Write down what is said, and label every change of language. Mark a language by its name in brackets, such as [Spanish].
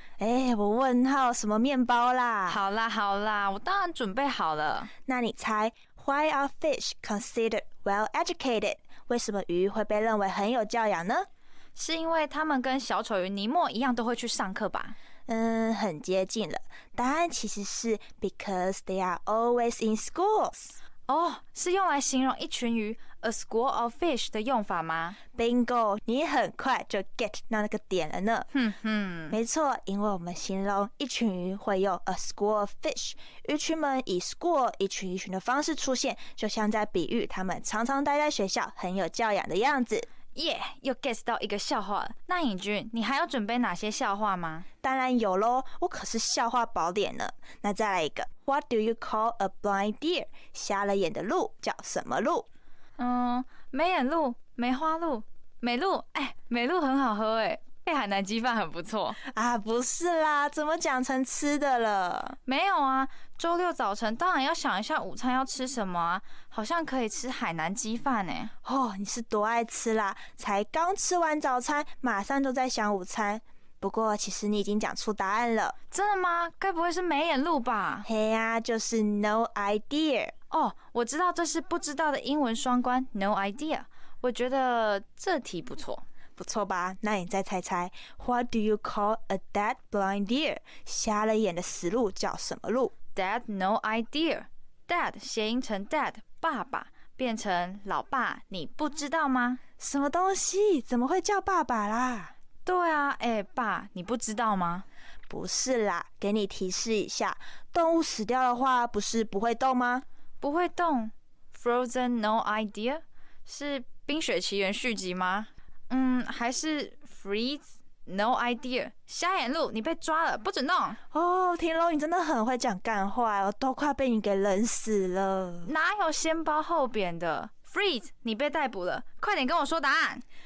[Chinese] 哎，我问号什么面包啦？好啦好啦，我当然准备好了。那你猜 [English] ，Why are fish considered well educated？ [Chinese] 为什么鱼会被认为很有教养呢？是因为他们跟小丑鱼尼莫一样都会去上课吧？嗯，很接近了。答案其实是 [English] because they are always in schools。 [Chinese] 哦，是用来形容一群鱼 [English] a school of fish [Chinese] 的用法吗？ Bingo， 你很快就 get 到那个点了呢。哼哼，没错，因为我们形容一群鱼会用 [English] a school of fish， [Chinese] 鱼群们以 school 一群一群的方式出现，就像在比喻他们常常待在学校，很有教养的样子。耶、yeah, ，又 get 到一个笑话了。那尹君，你还要准备哪些笑话吗？当然有咯，我可是笑话宝典呢。那再来一个 [English] ，What do you call a blind deer？ [Chinese] 瞎了眼的鹿叫什么鹿？嗯，没眼鹿、梅花鹿、美鹿。哎，美鹿很好喝哎，配海南鸡饭很不错啊。不是啦，怎么讲成吃的了？没有啊，周六早晨当然要想一下午餐要吃什么啊。好像可以吃海南鸡饭耶。哦，你是多爱吃啦，才刚吃完早餐马上就在想午餐。不过其实你已经讲出答案了。真的吗？该不会是没眼鹿吧？嘿呀、啊、就是 [English] no idea。 [Chinese] 哦，我知道，这是不知道的英文双关 [English] no idea。 [Chinese] 我觉得这题不错。不错吧？那你再猜猜 [English] ，What do you call a dead blind deer？ [Chinese] 瞎了眼的死鹿叫什么鹿？ [English] Dead no idea。 [Chinese] Dead 谐音成 dead 爸爸，变成老爸，你不知道吗？什么东西？怎么会叫爸爸啦？对啊，哎、欸，爸，你不知道吗？不是啦，给你提示一下，动物死掉的话，不是不会动吗？不会动 [English] ，Frozen no idea？ [Chinese] 是《冰雪奇缘》续集吗？嗯，还是 [English] freeze no idea， [Chinese] 瞎眼鹿，你被抓了，不准弄。哦，天龙，你真的很会讲干话，我都快被你给冷死了。哪有先包后扁的？ freeze， 你被逮捕了，快点跟我说答案。